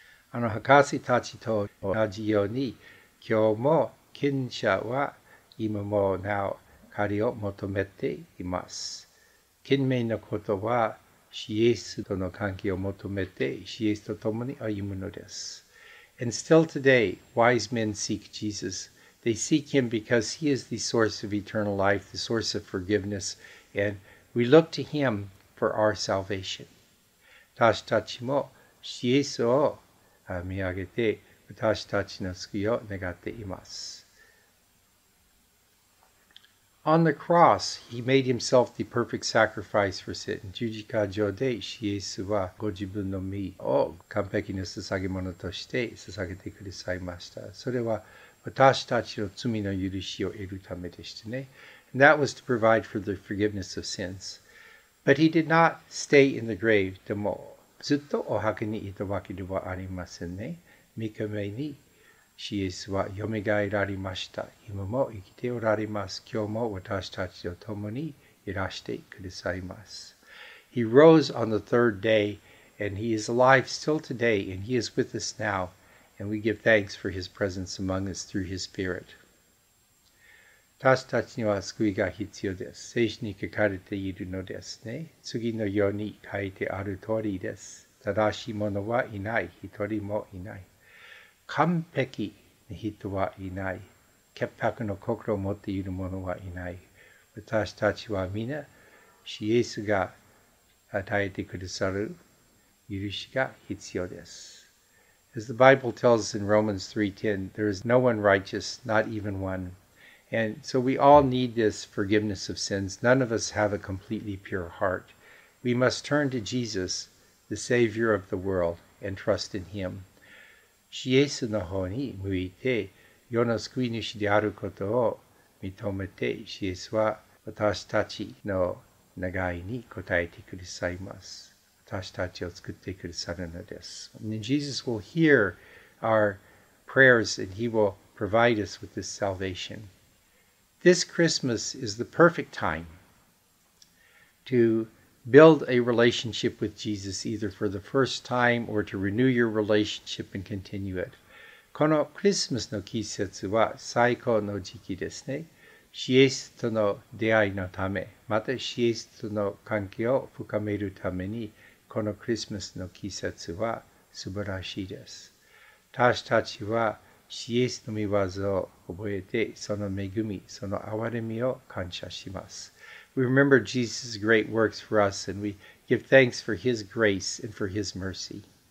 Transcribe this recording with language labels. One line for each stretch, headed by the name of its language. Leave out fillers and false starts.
Japanese: あの博士たちと同じように今日も賢者は今もなお借りを求めています。賢明なことはイエスとの関係を求めてイエスと共に歩むのです。
English: And still today, wise men seek Jesus. They seek him because he is the source of eternal life, the source of forgiveness, and we look to him for our salvation.
Japanese: 私たちもイエスを見上げて私たちの救いを願っています。
English: On the cross, he made himself the perfect sacrifice for sin.
Japanese: 十字架上でイエスはご自分の身を完璧な捧げ物として捧げてくださいました。それは私たちの罪の許しを得るためでしたね。
English: And that was to provide for the forgiveness of sins. But he did not stay in the grave.
Japanese: でもずっとお墓にいたわけではありませんね。 3日目にイエスはよみがえられました。今も生きておられます。今日も私たちと共にいらしてくださいます。
English: He rose on the third day, and he is alive still today, and he is with us now. And we give thanks for his presence among us through his spirit.
Japanese: 私たちには救いが必要です。聖書に書かれているのですね。次のように書いてある通りです。正しい者はいない。一人もいない。完璧な人はいない。潔白の心を持っている者はいない。私たちは皆、イエスが与えてくださる許しが必要です。
English: As the Bible tells us in Romans 3:10, there is no one righteous, not even one. And so we all need this forgiveness of sins. None of us have a completely pure heart. We must turn to Jesus, the Savior of the world, and trust in Him.
Japanese: イエスの方に向いて、世の救い主であることを認めて、イエスは私たちの願いに応えてくださいます。私たちを救ってくださるのです。
English: And Jesus will hear our prayers and he will provide us with this salvation. This Christmas is the perfect time to build a relationship with Jesus either for the first time or to renew your relationship and continue it.
Japanese: このクリスマスの季節は最高の時期ですね。イエスとの出会いのため、またイエスとの関係を深めるためにこのクリスマスの季節は素晴らしいです。私たちはイエスの御業を覚えて、その恵み、その憐れみを感謝します。
English: We remember Jesus' great works for us, and we give thanks for his grace and for his mercy.